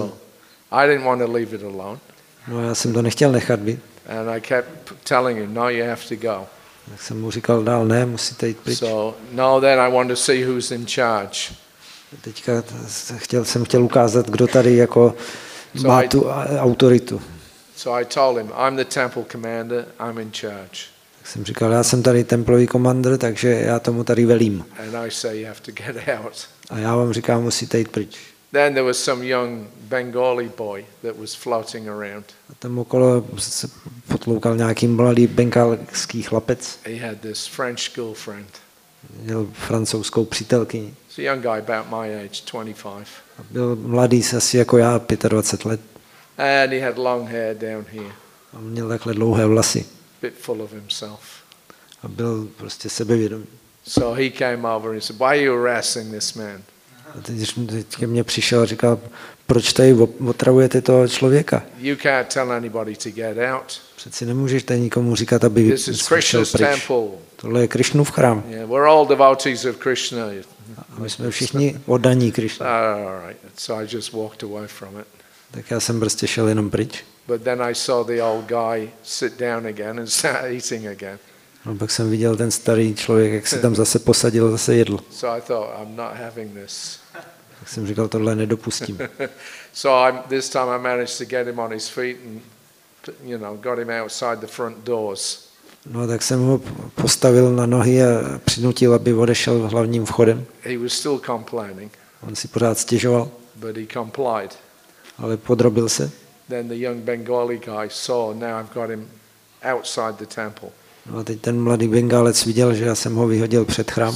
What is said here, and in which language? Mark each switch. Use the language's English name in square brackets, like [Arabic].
[English] So, I didn't want to leave it alone. [Czech] No, já jsem to nechtěl nechat být. [English] And I kept telling him, no, you have to go. [Czech] Tak jsem mu říkal dál, ne, musíte jít pryč. [English] So now then I want to see who's in charge. [Czech] Teďka chtěl ukázat, kdo tady jako má tu autoritu. [English] So I told him, I'm the temple commander, I'm in charge. [Czech] Tak jsem říkal, já jsem tady templový komandér, takže já tomu tady velím. [English] And I say you have to get out. [Czech] A já vám říkám, musíte jít pryč. [English] Then there was some young Bengali boy that was floating around. [Czech] A tam okolo se potloukal nějaký mladý bengalský chlapec. [English] He had this French girlfriend. [Czech] Měl francouzskou přítelkyni. [English] A young guy about my age, 25. [Czech] A byl mladý asi jako já, 25 let. [English] And he had long hair down here. [Czech] A měl takhle dlouhé vlasy. [English] Bit full of himself. [Czech] A byl prostě sebevědomý. [English] So he came over and said, "Why are you harassing this man?" [Czech] A teď ke mně přišel a říkal, proč tady otravujete toho člověka? [English] You can't tell anybody to get out. [Czech] Přeci nemůžeš tady nikomu říkat, aby vyšel pryč. Temple. Tohle je Krišnův chrám. [English] Yeah, we're all devotees of Krishna. [Czech] A my jsme všichni oddaní Krišna. [English] All right. So I just walked away from it. [Czech] Tak já jsem prostě šel jenom pryč. [English] But then I saw the old guy sit down again and start eating again. [Czech] No, pak jsem viděl ten starý člověk, jak se tam zase posadil, zase jedl. [English] So I thought, I'm not having this. [Czech] Tak jsem říkal, tohle nedopustím. [English] So this time I managed to get him on his feet and, you know, got him outside the front doors. [Czech] No, tak jsem ho postavil na nohy a přinutil, aby odešel hlavním vchodem. [English] He was still complaining. [Czech] On si pořád stěžoval. [English] But he complied. [Czech] Ale podrobil se. [English] Then the young Bengali guy saw, now I've got him outside the temple. [Czech] No a teď ten mladý Bengálec viděl, že já jsem ho vyhodil před chrám.